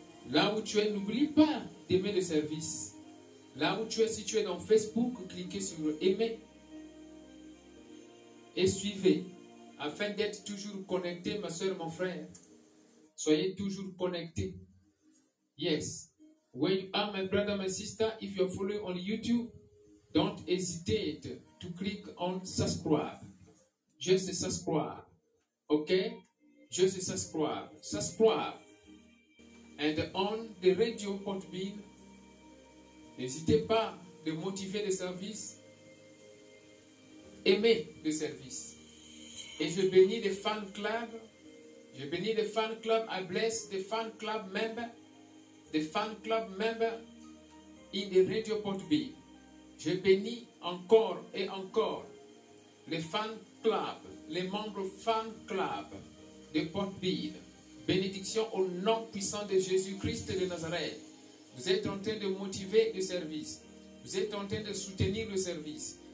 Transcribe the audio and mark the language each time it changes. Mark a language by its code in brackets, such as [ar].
[fr] Là où tu es, n'oublie pas d'aimer le service. Là où tu es, si tu es dans Facebook, cliquez sur aimer. Et suivez. Afin d'être toujours connecté, ma soeur, mon frère. Soyez toujours connecté. [en] Yes. Where you are, my brother, my sister, if you are following on YouTube, don't hesitate to click on subscribe. Just subscribe. Okay? Just subscribe. Subscribe. And on the radio Podbean, [fr] n'hésitez pas de motiver le service. Aimez le service. Et je bénis les fan clubs. Je bénis les fan clubs. [en] I bless the fan club members. The fan club member in the radio Podbean. [fr] Je bénis encore et encore les fan club, les membres fan club de Podbean. Bénédiction au nom puissant de Jésus-Christ de Nazareth. Vous êtes en train de motiver le service. Vous êtes en train de soutenir le service.